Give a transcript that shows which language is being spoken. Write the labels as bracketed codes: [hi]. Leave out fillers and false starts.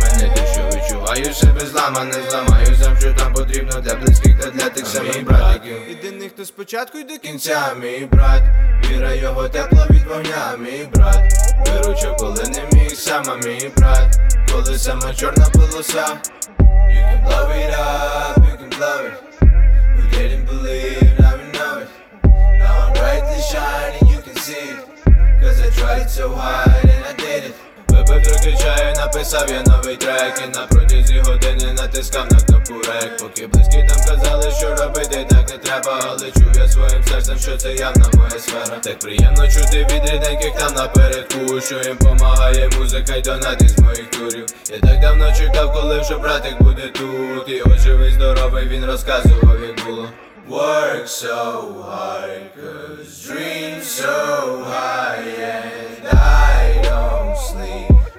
[uk] Не те, що відчуваю себе зламане, зламаю завжди там потрібно для близьких та для тих самих братиків. Єдиний, хто спочатку й до кінця, мій брат. Віра його тепло від вогня, мій брат. Виручав, коли не міг, сама мій брат. Коли сама чорна полоса. [en] You can blow it up, you can blow it. We didn't believe, now we know it. Now I'm brightly shining, you can see it. Cause I tried so hard and I did it. [uk] Випив трохи чаю, написав я новий трек. І на протязі години натискав на кнопку рек. Поки близькі там казали, що робити так не треба. Але чув я своїм серцем, що це явна моя сфера. Так приємно чути від рідненьких там напередку, що їм помагає музика й донат із моїх турів. Я так давно чекав, коли вже братик буде тут. І ось живий, здоровий, він розказував, як було. [en] Work so hard, cause dream so high, and I don't sleep.